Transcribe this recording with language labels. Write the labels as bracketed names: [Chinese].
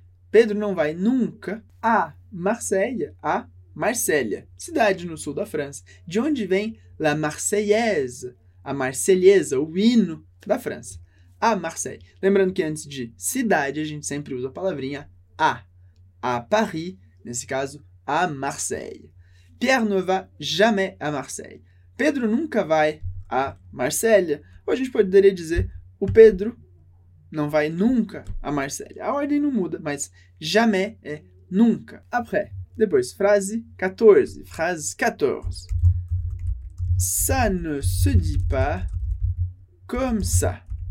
[Portuguese] Pedro não vai nunca à Marseille, à Marselha, cidade no sul da França. De onde vem la Marseillaise, a Marselhesa, o hino da França. À Marseille. Lembrando que antes de cidade, a gente sempre usa a palavrinha à. [French] À Paris, [Portuguese] nesse caso, [French] à Marseille. Pierre ne va jamais à Marseille. [Portuguese] Pedro nunca vai à Marselha. Ou a gente poderia dizer, o Pedro não vai nunca à Marselha. A ordem não muda, mas jamais é nunca. Après, depois, frase 14. Frase 14. [French] Ça ne se dit pas comme ça.